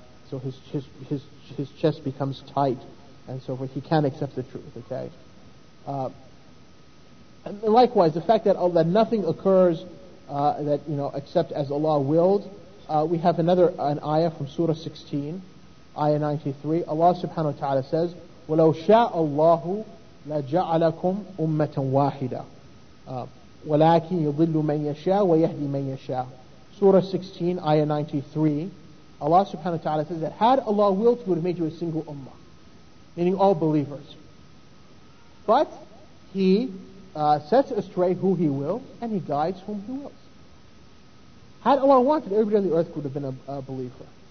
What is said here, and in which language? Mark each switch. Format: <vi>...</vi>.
<en>So his chest becomes tight, and so forth. He can't accept the truth, okay? And likewise, the fact that nothing occurs that, you know, except as Allah willed, we have an ayah from Surah 16, ayah 93.</en> <ar>Allah subhanahu wa ta'ala says, وَلَوْ شَاءَ اللَّهُ لَجَعَلَكُمْ أُمَّةً وَاحِدًا وَلَكِنْ يُضِلُّ مَنْ يَشَاءُ وَيَهْدِي مَنْ يَشَاءُ.</ar> <en>Surah 16, ayah 93. Allah subhanahu wa ta'ala says that had Allah willed, He would have made you a single ummah, meaning all believers. But He sets astray who He wills, and He guides whom He wills. Had Allah wanted, everybody on the earth could have been a believer.</en>